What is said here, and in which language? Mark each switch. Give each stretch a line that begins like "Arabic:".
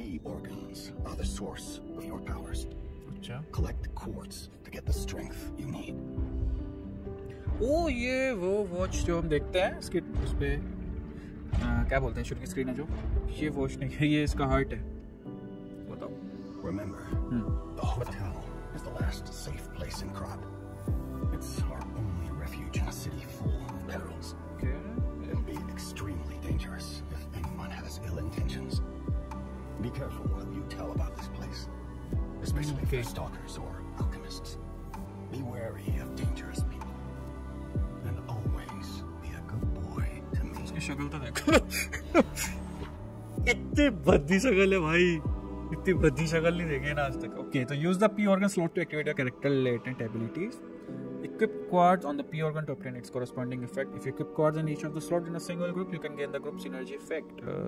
English: Organs are the source of your powers.
Hindi: Achha.
English: Collect quartz to get the strength you need.
Hindi: Oh, ये वो watch जो हम देखते हैं इसके उस पे क्या बोलते हैं शुरू की स्क्रीन है जो ये वॉच नहीं है, ये इसका हार्ट है। बताओ।
English: Remember, the hotel is the last safe place in Krat. It's our only refuge in a city full of perils. Okay. It'll be extremely dangerous if anyone has ill intentions. Be careful what you tell about this place, especially okay. For stalkers or alchemists. Be wary of dangerous people, and always be a good boy to me.
Hindi: इसकी शक्ल तो देखो, इतनी भद्दी शक्ल है भाई, इतनी भद्दी शक्ल नहीं देखी ना आज तक।
English: Okay, तो use the P organ slot to activate your character latent abilities. Equip quartz on the P organ to obtain its corresponding effect. If you equip quartz in each of the slots in a single group, you can gain the group synergy effect.